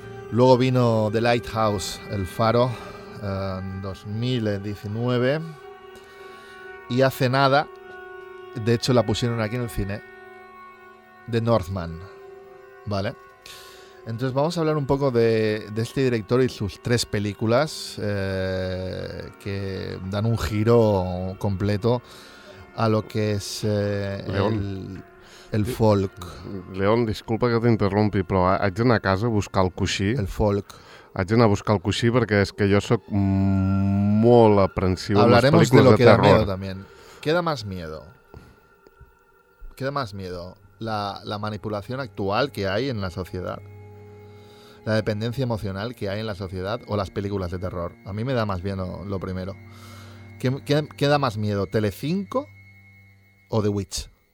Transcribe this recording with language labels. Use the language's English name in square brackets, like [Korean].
[Spanish] Luego vino The Lighthouse, El Faro, en 2019. Y hace nada, de hecho la pusieron aquí en el cine, The Northman, ¿vale? Entonces vamos a hablar un poco de este director y sus 3 películas que dan un giro completo a lo que es el folk. [Catalan] León, disculpa que t'interrompi, però haig d'anar a casa a buscar el coixí. [Spanish] El folk. [Catalan] Haig d'anar a buscar el coixí perquè és que jo sóc molt aprensiu amb les pel·lícules de terror. [Spanish] de lo que da miedo también. ¿Queda más miedo? ¿Queda más miedo? La manipulación actual que hay en la sociedad. La dependencia emocional que hay en la sociedad o las películas de terror. A mí me da más miedo lo primero. ¿Qué da más miedo? ¿Telecinco o The Witch?